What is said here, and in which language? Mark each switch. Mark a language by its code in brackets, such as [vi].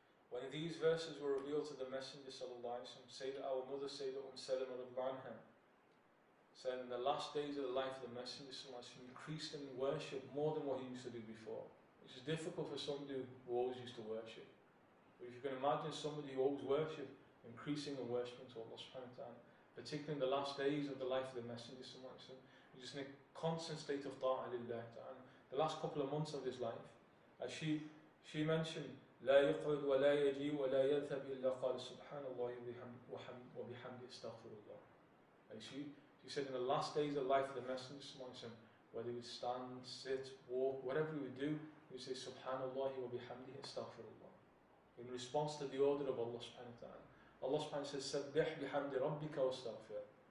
[en] When these verses were revealed to the Messenger sallallahu alayhi wa sallam, Sayyidah, our mother Sayyidah Salama radhiyallahu anha, so in the last days of the life of the Messenger sallallahu alayhi wa sallam, increased in worship more than what he used to do before. Which is difficult for somebody who always used to worship. But if you can imagine somebody who always worshipped, increasing in worship to Allah subhanahu wa ta'ala, particularly in the last days of the life of the Messenger sallallahu alayhi wa sallam, he's just in a constant state of ta'a lillahi ta'ala. The last couple of months of his life, as she mentioned, [ar] لَا يُقْعُدْ وَلَا يَجِي وَلَا يَذْهَبْ إِلَّا قَالَ سُبْحَانَ اللَّهِ وَبِحَمْدِ اسْتَغْفِرُ اللَّهِ. [en] And she said in the last days of life of the Messenger sallallahu alayhi wa sallam, whether he would stand, sit, walk, whatever he would do, he would say, Subhanallah wa bihamdihi astaghfirullah. In response to the order of Allah subhanahu wa ta'ala. Allah subhanahu wa ta'ala says, Sabbih bihamdi rabbika wa astaghfir.